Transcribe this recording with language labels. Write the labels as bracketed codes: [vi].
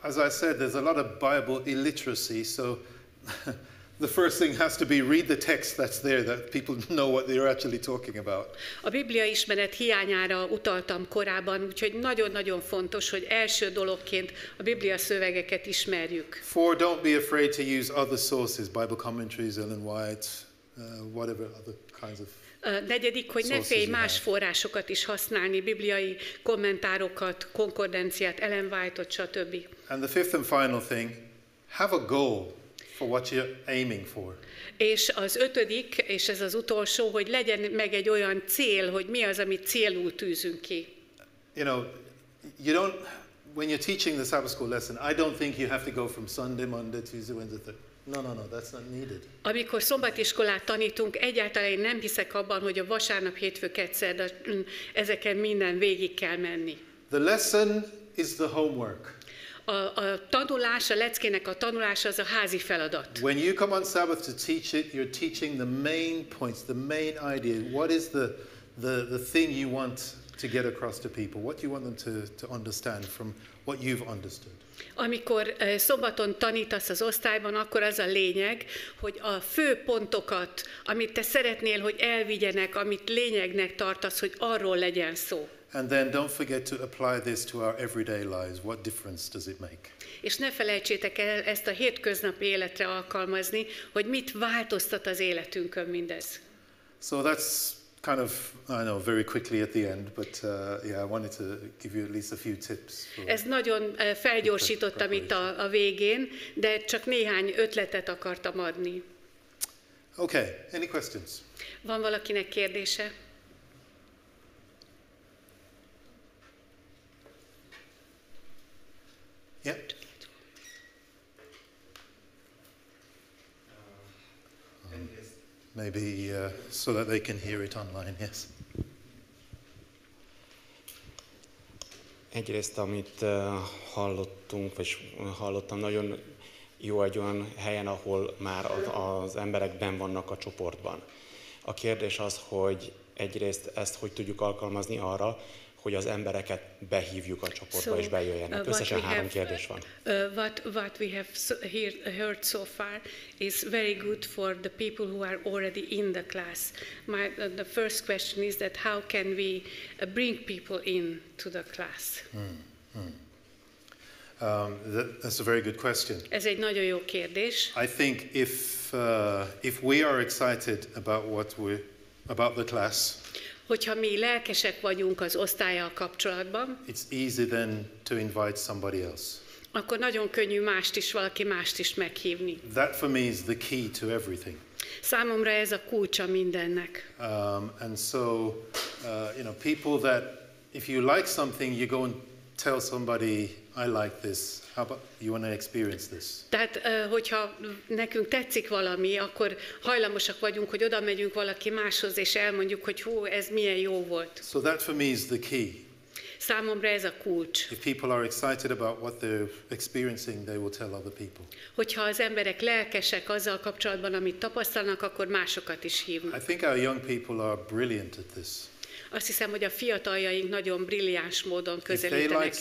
[en] As I said, there's a lot of Bible illiteracy, so the first thing has to be read the text that's there, that people know what they're actually talking about. [hu] A Biblia ismeret hiányára utaltam korábban, úgyhogy nagyon-nagyon fontos, hogy első dologként a Biblia szövegeket ismerjük. [en] Four, don't be afraid to use other sources, Bible commentaries, Ellen White, whatever other kinds of sources you have. [hu] Negyedik, hogy ne félj más forrásokat is használni, bibliai kommentárokat, konkordenciát, Ellen White-ot, stb. [en] And the fifth and final thing, have a goal for what you're aiming for. [hu] És az ötödik, és ez az utolsó, hogy legyen meg egy olyan cél, hogy mi az, amit célul tűzünk ki. [en] You know, you don't, when you're teaching the Sabbath school lesson, I don't think you have to go from Sunday, Monday, Tuesday, Wednesday, Thursday. No, that's not needed. [hu] Amikor szombatiskolát tanítunk, egyáltalán én nem hiszek abban, hogy a vasárnap, hétfő, kedszerd, ezeken minden végig kell menni. [en] The lesson is the homework. [hu] A tanulás, a leckének a tanulása az a házi feladat. [en] When you come on Sabbath to teach it, you're teaching the main points, the main idea. What is the thing you want to get across to people? What do you want them to understand from what you've understood? [hu] Amikor szombaton tanítasz az osztályban, akkor az a lényeg, hogy a fő pontokat, amit te szeretnél, hogy elvigyenek, amit lényegnek tartasz, hogy arról legyen szó. [en] And then don't forget to apply this to our everyday lives. What difference does it make? [hu] És ne felejtsétek el ezt a hétköznapi életre alkalmazni, hogy mit változtat az életünkön mindez. [en] So that's kind of, I know, very quickly at the end, but yeah, I wanted to give you at least a few tips. [hu] Ez nagyon felgyorsítottam itt a végén, de csak néhány ötletet akartam adni. [en] Okay, any questions? [hu] Van valakinek kérdése? [en] Maybe so that they can hear it online, yes. [hu] Egyrészt, amit hallottunk, vagy hallottam, nagyon jó egy olyan helyen, ahol már az emberek benn vannak a csoportban. A kérdés az, hogy egyrészt ezt hogy tudjuk alkalmazni arra, hogy az embereket behívjuk a csoportba, [en] so, [hu] és bejöjjenek. Összesen három kérdés van. [en] What we have heard so far is very good for the people who are already in the class. The first question is that how can we bring people in to the class? Hmm. That's a very good question. [hu] Ez egy nagyon jó kérdés. [en] I think if we are excited about what we about the class. [hu] Hogyha mi lelkesek vagyunk az osztállyal kapcsolatban. [en] It's easy then to invite somebody else. [hu] Akkor nagyon könnyű mást is valaki mást is meghívni. [en] That for me is the key to everything. [hu] Számomra ez a kulcsa mindennek. [en] People that if you like something you go and tell somebody I like this. How about you want to experience this? [hu] Tehát, hogyha nekünk tetszik valami, akkor hajlamosak vagyunk, hogy oda megyünk valaki máshoz és elmondjuk, hogy hú, ez milyen jó volt. [en] So that for me is the key. [hu] Számomra ez a kulcs. [en] If people are excited about what they're experiencing, they will tell other people. [hu] Hogyha az emberek lelkesek azzal kapcsolatban, amit tapasztalnak, akkor másokat is hívnak. [en] I think our young people are brilliant at this. [hu] Azt hiszem, hogy a fiataljaink nagyon brilliáns módon közelítenek